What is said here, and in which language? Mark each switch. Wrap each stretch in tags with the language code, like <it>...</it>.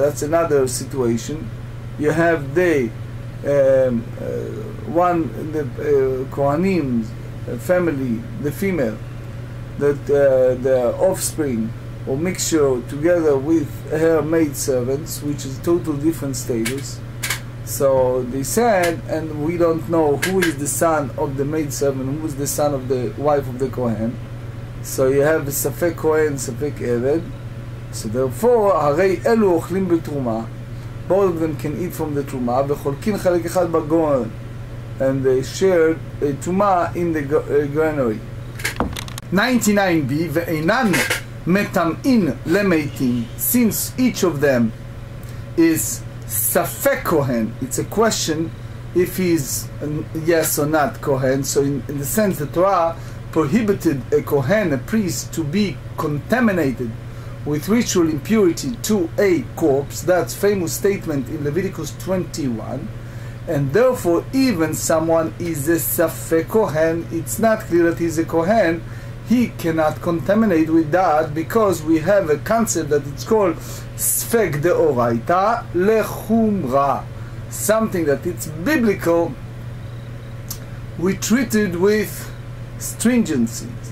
<en>That's another situation. You have day. One the Kohanim family, the female, that the offspring or mixture together with her maid servants, which is total different status. So they said, and we don't know who is the son of the maidservant, who is the son of the wife of the Kohen. So you have a Safek Kohen, Safek Eved. So therefore,</en> <he>הרי אלו אוכלים בתרומה,</he> <en>both of them can eat from the תרומה,</en> <he>וחולקים חלק אחד בגורן,</he> <en>and they shared a תרומה in the granary. 99b,</en> <he>ואינן מתמאים למתים,</he> <en>since each of them is ספק כהן. It's a question if he is yes or not כהן. So in the sense, the Torah prohibited a כהן, a priest, to be contaminated with ritual impurity to a corpse. That's famous statement in Leviticus 21. And therefore, even someone is a ספק כהן, it's not clear that he's a כהן, he cannot contaminate with that, because we have a concept that it's called</en> <he>ספק דאורייתא לחומרא,</he> <en>something that it's biblical, we treat it with stringency.</en>